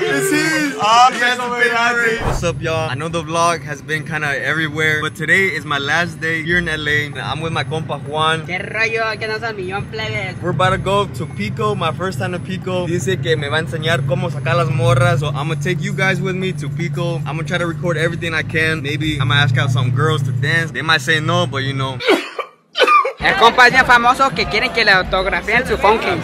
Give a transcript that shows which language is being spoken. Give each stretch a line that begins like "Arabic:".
English: What's up, y'all? I know the vlog has been kind of everywhere, but today is my last day here in LA. I'm with my compa Juan. We're about to go to Pico, my first time to Pico.
Spanish: Dice que me va a enseñar cómo sacar las morras.
English: So I'm gonna take you guys with me to Pico. I'm gonna try to record everything I can. Maybe I'm gonna ask out some girls to dance. They might say no, but you know.
Spanish: El compa es bien famoso que quieren que le autografien su funky.